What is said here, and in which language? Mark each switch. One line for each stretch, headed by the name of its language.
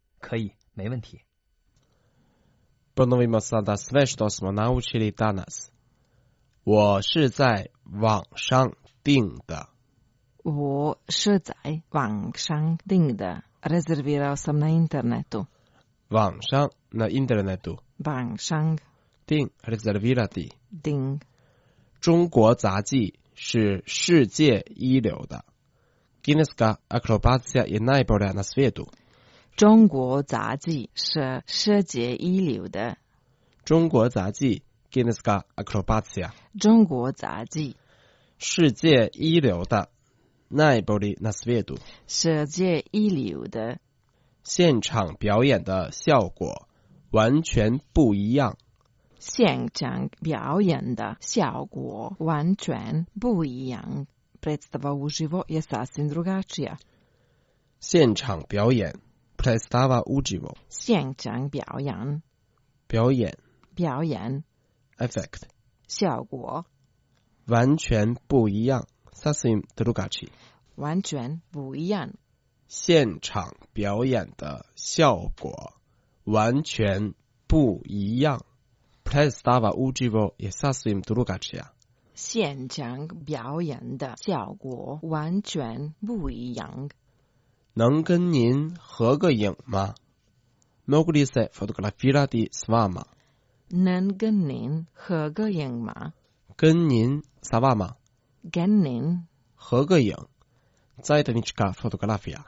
Chinese: 可以，没问题。
Croatian: Ponovimo sada sve što smo naučili danas。
Chinese: 我是在网上订的。我是在网上订的 ，
Croatian: reservirao sam na internetu。
Chinese: 网上那
Croatian: internetu。
Chinese: 网上订
Croatian: reservirati。
Chinese: 订。中国杂技是世界一流的。
Croatian: Kineska akrobacija je najbolja na svijetu。
Chinese: 中国杂技是世界一流的。中国杂技
Croatian: Kineska akrobacija。
Chinese: 中国杂技世界一流的。
Croatian: Najbolji na svijetu.
Chinese: 世界一流的。现场表演的效果完全不一样。现场表演的效果完全不一样。
Croatian: Predstava uživo je sasvim drugačija.
Chinese: 现场表演
Croatian: Predstava uživo.
Chinese: 现场表演。表演。表演。
English: Effect.
Chinese: 效果。完全不一样。
Croatian: Sasvim drugačiji.
Chinese: 完全不一样。现场表演的效果完全不一样。
Croatian: Predstava uživo je sasvim drugačija.
Chinese: 现场表演的效果完全不一样。能跟您合个影吗 ？
Croatian: Mogu li se fotografirati s vama？
Chinese: 能跟您合个影吗？跟您
Croatian: sa vama？
Chinese: 跟您合个影，zajednička fotografija。